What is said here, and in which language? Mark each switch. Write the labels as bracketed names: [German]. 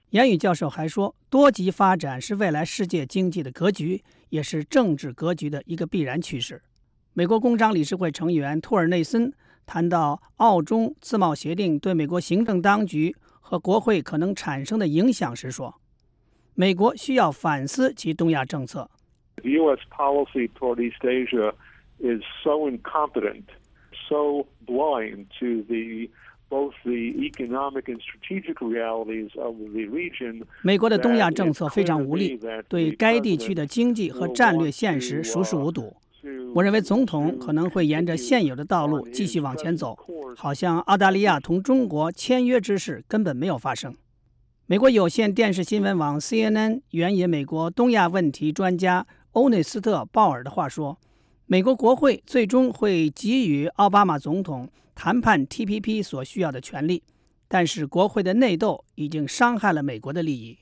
[Chinese] 严宇教授还说，多极发展是未来世界经济的格局，也是政治格局的一个必然趋势。美国工商理事会成员托尔内森谈到澳中自贸协定对美国行政当局和国会可能产生的影响时说，美国需要反思其东亚政策。 [English] The U.S. policy toward East Asia is so incompetent, so blind to the both the economic and strategic realities of the region. [Chinese] 美国的东亚政策非常无力，对该地区的经济和战略现实熟视无睹。我认为总统可能会沿着现有的道路继续往前走，好像澳大利亚同中国签约之事根本没有发生。美国有线电视新闻网 CNN 援引美国东亚问题专家欧内斯特·鲍尔的话说，美国国会最终会给予奥巴马总统谈判 TPP 所需要的权利，但是国会的内斗已经伤害了美国的利益。